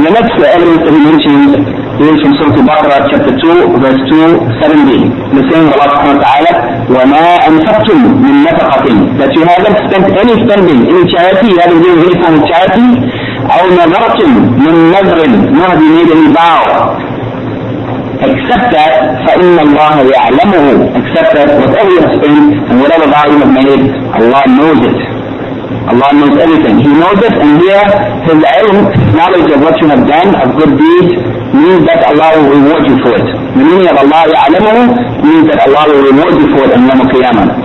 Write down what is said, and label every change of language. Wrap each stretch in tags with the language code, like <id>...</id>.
<en>The next evidence that he mentions is from Surah Al-Baqarah, chapter 2, verse 270. The same Allah subhanahu wa ta'ala,</en> <ar>وَمَا أَنْفَقْتُمْ مِنْ نَفَقَةٍ.</ar> <en>That you haven't spent any spending, any charity, you haven't given any form of charity,</en> <ar>أَوْ نَذَرَةٍ مِنْ نَذْرٍ,</ar> <en>nor have you made any vow. Except that,</en> <ar>فَإِنَّ اللَّهَ يَعْلَمُهُ.</ar> <en>Except that whatever you have spent and whatever vow you have made, Allah knows it. Allah knows everything. He knows it, and here His ilm, knowledge of what you have done, of good deeds, means that Allah will reward you for it. The meaning of Allah يَعْلَمُهُ means that Allah will reward you for it in</en> <ar>يَوْمَ الْقِيَامَةِ.</ar>